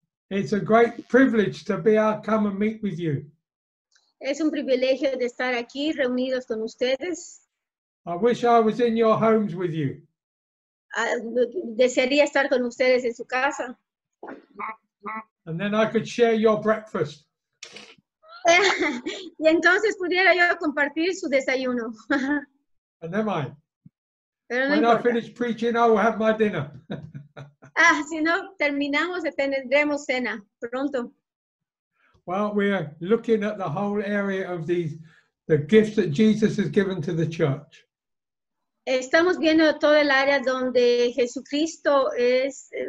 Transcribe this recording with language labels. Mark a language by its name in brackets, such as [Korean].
[English] It's a great privilege to be able to come and meet with you. [Spanish] Es un privilegio de estar aquí reunidos con ustedes. [English] I wish I was in your homes with you. [Spanish] Desearía estar con ustedes en su casa. [English] And then I could share your breakfast. [Spanish] Y entonces pudiera yo compartir su desayuno. [English] And then mine. [Spanish] Pero [English] when [Spanish] no importa. [English] I finish preaching, I will have my dinner. [Spanish] Ah, si no terminamos, tendremos cena pronto. [English] Well, we are looking at the whole area of the gifts that Jesus has given to the church. [Spanish] Estamos viendo todo el área donde Jesucristo es.